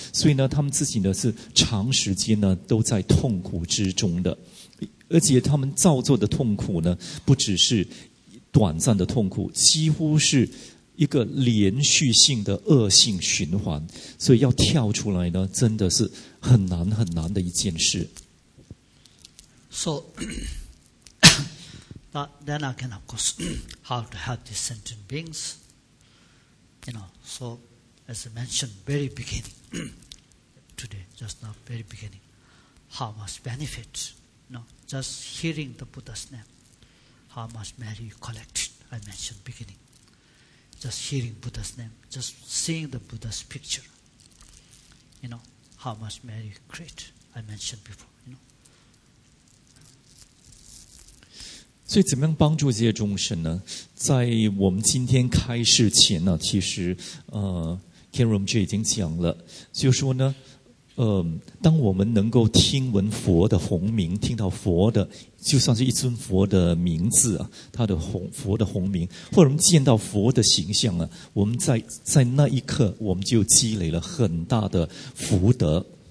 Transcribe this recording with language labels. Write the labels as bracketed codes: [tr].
[zh] 所以呢他们自己呢是长时间呢都在痛苦之中的，而且他们造作的痛苦呢不只是短暂的痛苦，几乎是一个连续性的恶性循环。所以要跳出来呢真的是很难很难的一件事。 [en] SoBut then again, of course, how to help these sentient beings. You know, so as I mentioned, very beginning, today, just now, very beginning, how much benefit, you know, just hearing the Buddha's name, how much merit you collected, I mentioned beginning. Just hearing Buddha's name, just seeing the Buddha's picture, you know, how much merit you create, I mentioned before. [zh] 所以怎么样帮助这些众生呢？在我们今天开示前呢，其实Kenrom J 已经讲了，就是说呢，当我们能够听闻佛的洪名，听到佛的，就算是一尊佛的名字啊，他的佛的洪名，或者我们见到佛的形象啊，我们在那一刻，我们就积累了很大的福德。